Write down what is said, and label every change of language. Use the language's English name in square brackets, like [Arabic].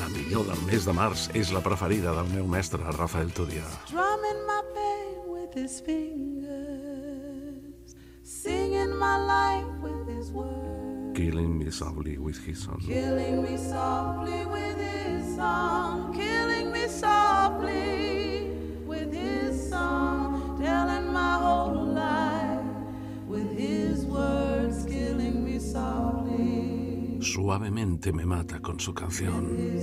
[Catalan] El del mes de març és la preferida del meu mestre, Rafael Tudia. [English] Drumming my pain with his fingers, singing my life with his words, killing me softly with his song, killing me softly with his song, killing me softly with his song, telling my whole life with his words, killing me softly. [Spanish] Suavemente me mata con su canción.